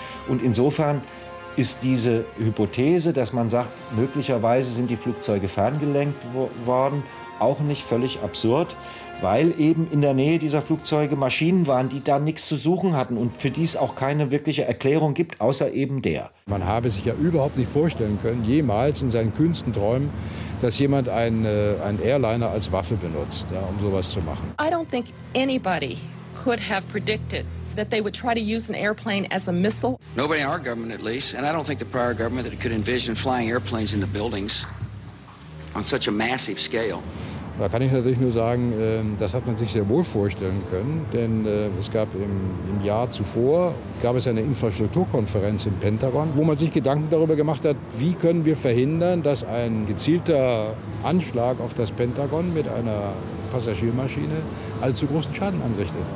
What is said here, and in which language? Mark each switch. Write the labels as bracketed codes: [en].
[de] Und insofern ist diese Hypothese, dass man sagt, möglicherweise sind die Flugzeuge ferngelenkt worden, auch nicht völlig absurd, weil eben in der Nähe dieser Flugzeuge Maschinen waren, die da nichts zu suchen hatten und für die es auch keine wirkliche Erklärung gibt, außer eben der. Man habe sich ja überhaupt nicht vorstellen können, jemals in seinen kühnsten Träumen, dass jemand einen Airliner als Waffe benutzt, ja, um sowas zu machen. [en] I don't think anybody could have predicted that they would try to use an airplane as a missile. Nobody in our government at least, and I don't think the prior government that could envision flying airplanes in the buildings on such a massive scale. [de] Da kann ich natürlich nur sagen, das hat man sich sehr wohl vorstellen können, denn es gab im Jahr zuvor gab es eine Infrastrukturkonferenz im Pentagon, wo man sich Gedanken darüber gemacht hat, wie können wir verhindern, dass ein gezielter Anschlag auf das Pentagon mit einer Passagiermaschine allzu großen Schaden anrichtet.